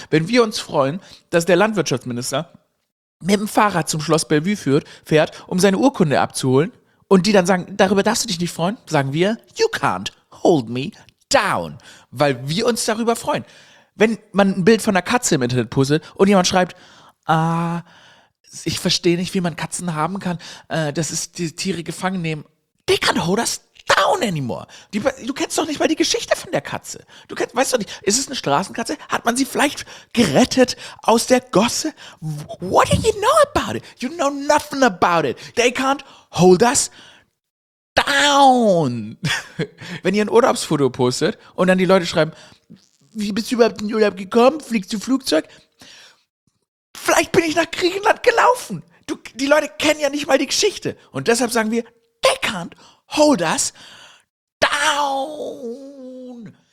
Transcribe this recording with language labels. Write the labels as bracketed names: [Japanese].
[German] Wenn wir uns freuen, dass der Landwirtschaftsminister mit dem Fahrrad zum Schloss Bellevue fährt, um seine Urkunde abzuholen und die dann sagen, darüber darfst du dich nicht freuen, sagen wir, [English] you can't hold me down, [German] weil wir uns darüber freuen. Wenn man ein Bild von einer Katze im Internet postet und jemand schreibt, ich verstehe nicht, wie man Katzen haben kann, das ist die Tiere gefangen nehmen. [English] They can't hold us down anymore. [German] Du kennst doch nicht mal die Geschichte von der Katze. Weißt du nicht, ist es eine Straßenkatze? Hat man sie vielleicht gerettet aus der Gosse? [English] What do you know about it? You know nothing about it. They can't hold us down. [German] Wenn ihr ein Urlaubsfoto postet und dann die Leute schreiben, wie bist du überhaupt in den Urlaub gekommen? Fliegst du Flugzeug? Vielleicht bin ich nach Griechenland gelaufen. Die Leute kennen ja nicht mal die Geschichte. Und deshalb sagen wir, [English] they can't hold us down.